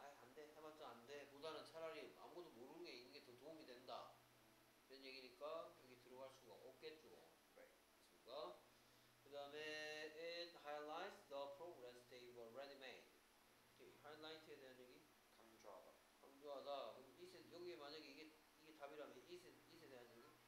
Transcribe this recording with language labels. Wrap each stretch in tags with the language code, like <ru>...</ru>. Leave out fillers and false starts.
<ko>아이 안돼 해봤자 안돼 보다는 차라리 아무것도 모르는 게 있는 게 더 도움이 된다 이런 얘기니까 여기 들어갈 수가 없겠죠. 네. 그렇습니까? 그 다음에</ko> <en>it highlights the progress they were already made.</en> <ko>오케이. highlight에 대한 얘기? 강조하다. 강조하다. 그럼 it 여기에 만약에 이게 답이라면 it에 대한 얘기?</ko>